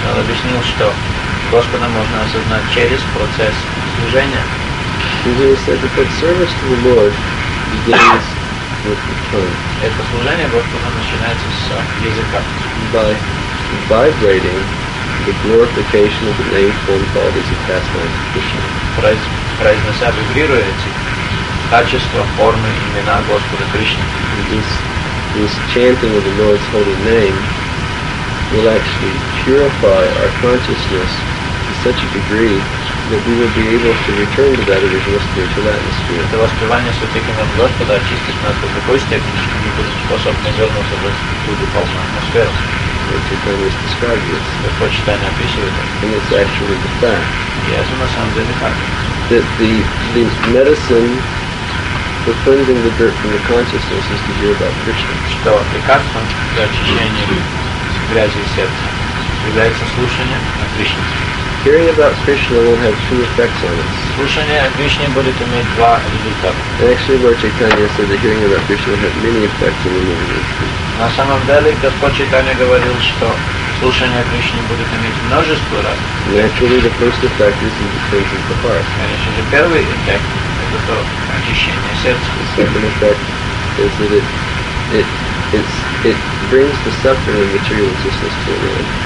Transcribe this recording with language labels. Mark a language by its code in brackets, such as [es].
[ru] Он объяснил, что Господа можно осознать через процесс служения. [en] He has said that that service to the Lord begins with the tongue. [ru] Это служение Господа начинается с языка. [en] By vibrating the glorification of the name, form, qualities, and pastimes of Krishna. [ru] Произнося, вибрируя эти качества, формы, имена Господа Кришны. [en] This chanting of the Lord's holy name will actually purify our consciousness to such a degree that we will be able to return to that original spiritual atmosphere. [ru] Это воспевание святых имен Господа очистит нас до такой степени, что мы будем способны вернуться в эту духовную атмосферу. [en] Lord Chaitanya has described this. [ru] Господь Читание описывает это. [en] And it's actually the fact. [ru] И это на самом деле так. [en] That the medicine for cleansing the dirt from the consciousness is to hear about Krishna. [ru] Что лекарство для очищения грязи сердца является слушание о Кришне. [en] Hearing about Krishna will have two effects on us. [ru] Слушание о Кришне будет иметь два результата. [en] Actually, Lord Chaitanya said that hearing about Krishna will have many effects on removing this tree. [ru] На самом деле, Господь Чайтанья говорил, что слушание о Кришне будет иметь множество раз. [en] Naturally, the first effect is the cleansing of the heart. [ru] Конечно же, первый эффект – это то очищение сердца. [en] The second effect is that it brings the suffering of material existence to an end.